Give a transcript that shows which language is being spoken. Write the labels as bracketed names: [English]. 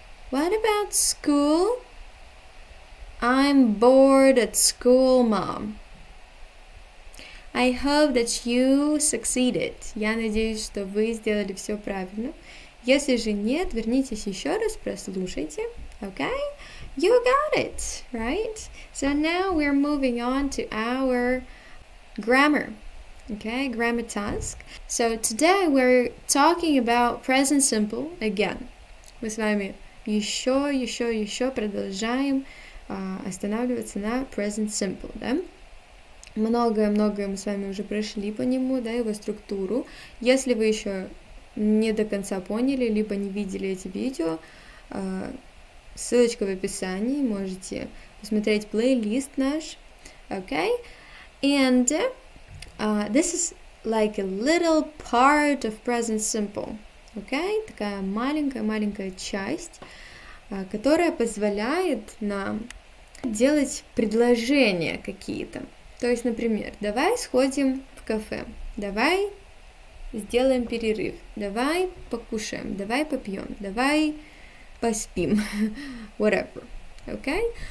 [English] What about school? I'm bored at school, Mom. I hope that you succeeded. [Russian] Я надеюсь, что вы сделали все правильно. Если же нет, вернитесь еще раз, прослушайте. [English] Okay? You got it, right? So now we're moving on to our grammar. Okay, grammar task. So today we're talking about present simple again. [Russian] Мы с вами еще продолжаем останавливаться на present simple, да? Многое-многое мы с вами уже прошли по нему, да, его структуру. Если вы еще не до конца поняли, либо не видели эти видео, ссылочка в описании, можете посмотреть плейлист наш, okay? [English] And this is like a little part of present simple, okay? [Russian] Такая маленькая-маленькая часть, которая позволяет нам делать предложения какие-то. То есть, например, давай сходим в кафе, давай сделаем перерыв, давай покушаем, давай попьем, давай поспим, whatever, okay?